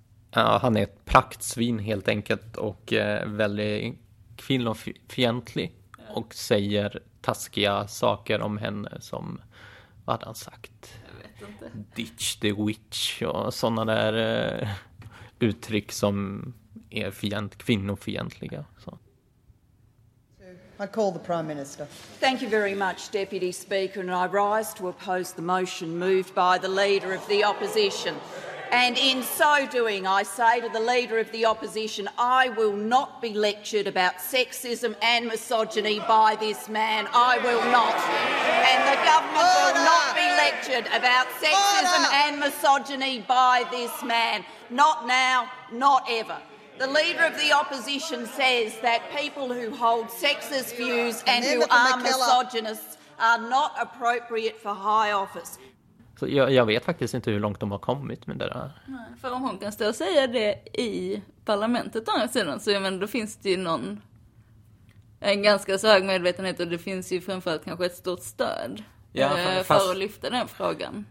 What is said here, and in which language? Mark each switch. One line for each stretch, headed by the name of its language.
Swedish: han är ett praktsvin helt enkelt och väldigt kvinnofientlig och säger taskiga saker om henne, som, vad hade han sagt? Jag vet inte.
English: Ditch the witch
Swedish: och sådana där uttryck som är kvinnofientliga. Så.
English: I call the Prime Minister. Thank you very much, Deputy Speaker, and I rise to oppose the motion moved by the Leader of the Opposition. And in so doing, I say to the Leader of the Opposition, I will not be lectured about sexism and misogyny by this man. I will not. And the government will not be lectured about sexism and misogyny by this man. Not now, not ever. The Leader of the Opposition says that people who hold sexist views and who are misogynists are not appropriate for high office.
Swedish: Jag vet faktiskt inte hur långt de har kommit med det där. Nej, för om hon kan stå och säga det i parlamentet å andra sidan, så men då finns det ju någon, en ganska så hög medvetenhet, och det finns ju framförallt kanske ett stort stöd, ja, för att lyfta den frågan.